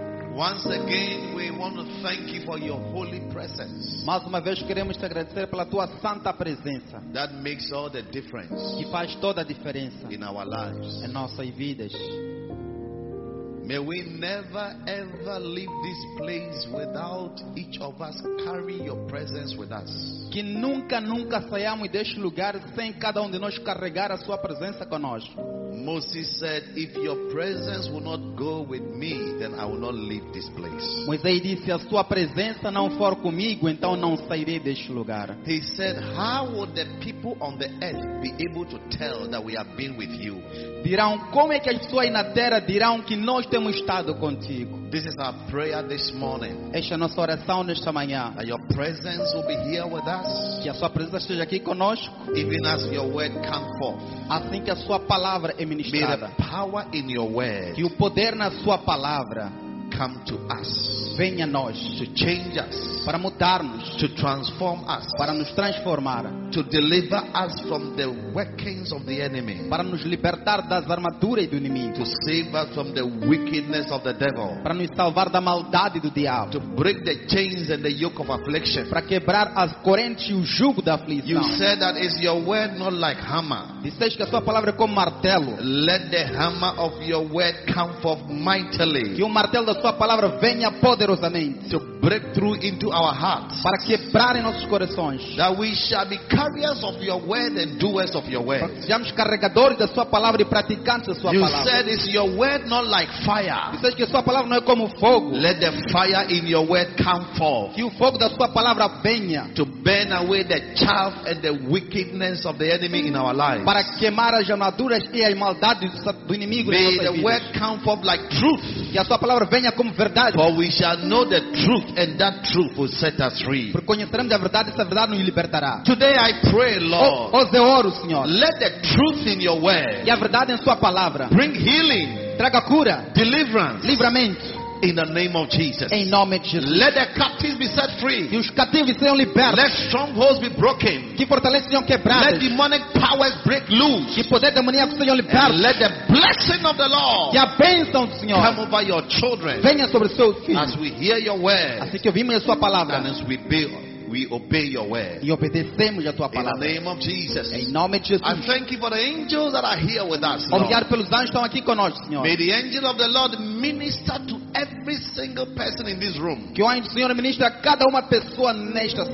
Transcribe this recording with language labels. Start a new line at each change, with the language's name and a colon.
English: once again we want to thank you for your holy presence.
Portuguese: Mais uma vez queremos te agradecer pela tua santa presença.
English: That makes all the difference.
Portuguese: Que faz toda a diferença
English: in our lives.
Portuguese: Em nossas vidas.
English: May we never ever leave this place without each of us carrying your presence with us.
Portuguese: Que nunca saiamos deste lugar sem cada de nós carregar a sua presença conosco.
English: Moses said, if your presence will not go with me, then I will not leave this place.
Portuguese: Moisés disse, a sua presença não for comigo, então não sairei deste lugar.
English: He said, how would the people on the earth be able to tell that we have been with you?
Portuguese: Dirão, como é que as pessoas na terra dirão que nós temos estado contigo?
English: This is our prayer this morning.
Portuguese: Esta é a nossa oração nesta manhã.
English: That your presence will be here with us.
Portuguese: Que a sua presença esteja aqui conosco.
English: Even as your word comes forth.
Portuguese: Assim que a sua palavra é ministrada.
English: May the power in your word.
Portuguese: Que o poder na sua palavra
English: come to us.
Portuguese: Venha a nós.
English: To change us.
Portuguese: Para mudar-nos.
English: To transform us.
Portuguese: Para nos transformar.
English: To deliver us from the workings of the enemy.
Portuguese: Para nos libertar das armaduras do inimigo.
English: To save us from the wickedness of the devil.
Portuguese: Para nos salvar da maldade do diabo.
English: To break the chains and the yoke of affliction.
Portuguese: Para quebrar as correntes e o jugo da aflição.
English: You said that is your word not like hammer.
Portuguese: Disseste que a sua palavra é como martelo.
English: Let the hammer of your word come forth mightily.
Portuguese: Que o martelo da sua palavra venha poderosamente.
English: To break through into our hearts.
Portuguese: Para quebrar em nossos corações.
English: That we shall be carriers of your word and doers of your word.
Portuguese: Sejamos carregadores da sua palavra e praticantes da sua you palavra.
English: You said is your word not like fire.
Portuguese: Disseste que a sua palavra não é como fogo.
English: Let the fire in your word come forth.
Portuguese: Que o fogo da sua palavra venha.
English: To burn away the chaff and the wickedness of the enemy in our lives.
Portuguese: Para queimar as armaduras e a maldade do inimigo.
English: May the word come forth like truth.
Portuguese: Que a sua palavra venha como verdade.
English: For we shall know the truth and that truth will set us free.
Portuguese: Porque conheceremos a verdade e essa verdade nos libertará.
English: Today I pray, Lord.
Portuguese: Oh, eu oro, Senhor.
English: Let the truth in your word.
Portuguese: E a verdade em sua palavra.
English: Bring healing.
Portuguese: Traga cura.
English: Deliverance.
Portuguese: Livramento.
English: In the name of Jesus.
Portuguese: Em nome de Jesus.
English: Let the captives be set free.
Portuguese: Que os cativos sejam libertos.
English: Let strongholds be broken.
Portuguese: Que fortalezas sejam quebradas.
English: Let demonic powers break loose.
Portuguese: Que poder demoníaco sejam libertos.
English: Let the blessing of the Lord.
Portuguese: Que a bênção do Senhor.
English: Come over your children.
Portuguese: Venha sobre seus filhos.
English: As we hear your word.
Portuguese: Assim que ouvimos a sua palavra.
English: And as we obey your word.
Portuguese: E obedecemos a tua palavra.
English: In the name of Jesus.
Portuguese: Em nome de Jesus.
English: I thank you for the angels that are here with us.
Portuguese: Obrigado pelos anjos que estão aqui conosco, Senhor.
English: May the angel of the Lord minister to every single person in this room.
Portuguese: Que o anjo do Senhor ministre a cada uma pessoa nesta sala.